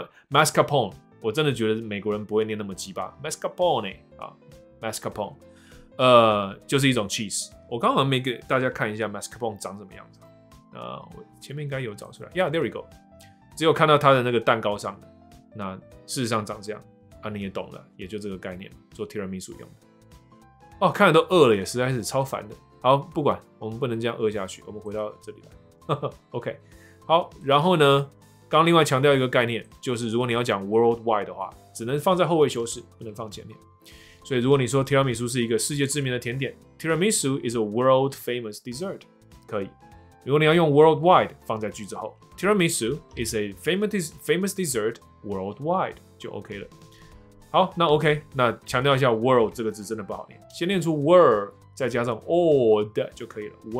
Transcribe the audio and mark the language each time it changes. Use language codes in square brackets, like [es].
[zh] Mascarpone， 我真的觉得美国人不会念那么鸡巴。 Mascarpone 啊 ，mascarpone， 就是一种 cheese。我刚刚没给大家看一下 mascarpone 长什么样子，我前面应该有找出来。 [en] Yeah， there we go。 [zh] 只有看到它的那个蛋糕上的。那事实上长这样啊，你也懂了，也就这个概念做 tiramisu 用的。哦，看了都饿了耶，实在是超烦的。好，不管，我们不能这样饿下去，我们回到这里来。 OK， 好，然后呢，刚另外强调一个概念，就是如果你要讲 worldwide 的话，只能放在后位修饰，不能放前面。所以如果你说 tiramisu 是一个世界知名的甜点， [en] tiramisu is a world famous dessert， [zh] 可以。如果你要用 worldwide 放在句子后， [en] tiramisu is a famous dessert。 [zh] Worldwide 就 OK 了。好，那 OK， 那强调一下 world 这个字真的不好念，先念出 world， 再加上 old 就可以了。